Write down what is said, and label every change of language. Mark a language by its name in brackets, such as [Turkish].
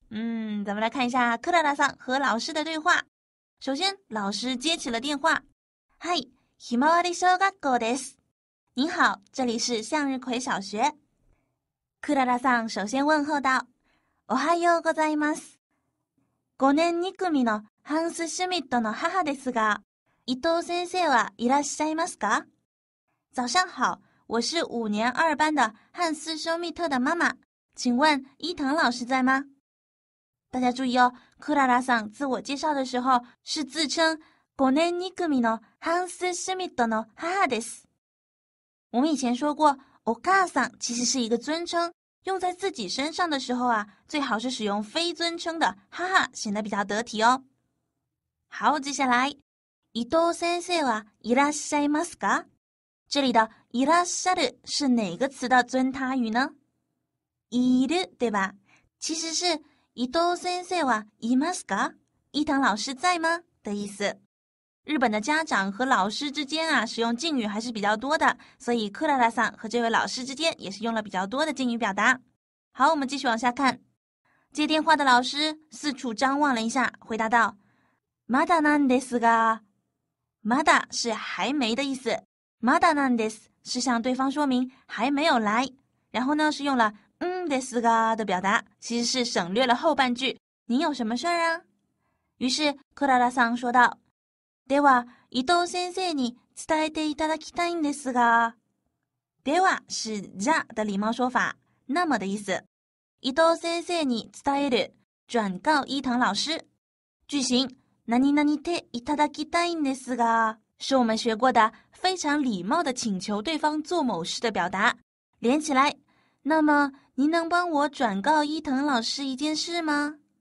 [Chinese] 咱们来看一下克拉拉桑和老师的对话。首先，老师接起了电话。 [Japanese] 嗨，ひまわり小学校です。 [Chinese] 你好，这里是向日葵小学。克拉拉桑首先问候道。 [Japanese] おはようございます。 5年2組のハンス・シュミットの母ですが、伊藤先生はいらっしゃいますか？ [Chinese] 早上好，我是5年2班的汉斯·休密特的妈妈。请问伊藤老师在吗？大家注意哦，克拉拉桑自我介绍的时候是自称 [Japanese] 5年2組のハンス・シュミットの母です。 [Chinese] 我们以前说过，お母さん其实是一个尊称，用在自己身上的时候啊，最好是使用非尊称的母，显得比较得体哦。好，接下来， [Japanese] 伊藤先生はいらっしゃいますか？ [Chinese] 这里的いらっしゃる是哪个词的尊他语呢？いる，对吧？其实是 [Japanese] 伊藤先生はいますか？ [Chinese] 伊藤老师在吗？的意思。日本的家长和老师之间啊，使用敬语还是比较多的，所以克拉拉桑和这位老师之间也是用了比较多的敬语表达。好，我们继续往下看。接电话的老师四处张望了一下，回答道： [Japanese] まだなんですが。 [Chinese] まだ是还没的意思。 [Japanese] まだなんです [Chinese] 是向对方说明还没有来。然后呢，是用了ですが的表达，其实是省略了后半句。您有什么事儿啊？于是克拉拉桑说道：“ [Japanese] では伊藤先生に伝えていただきたいんですが。” [Chinese] では是じゃ的礼貌说法，那么的意思。 [Japanese] 伊藤先生に伝える， [Chinese] 转告伊藤老师。句型 [Japanese] 何何ていただきたいんですが， [Chinese] 是我们学过的非常礼貌的请求对方做某事的表达。连起来，那么。您能帮我转告伊藤老师一件事吗？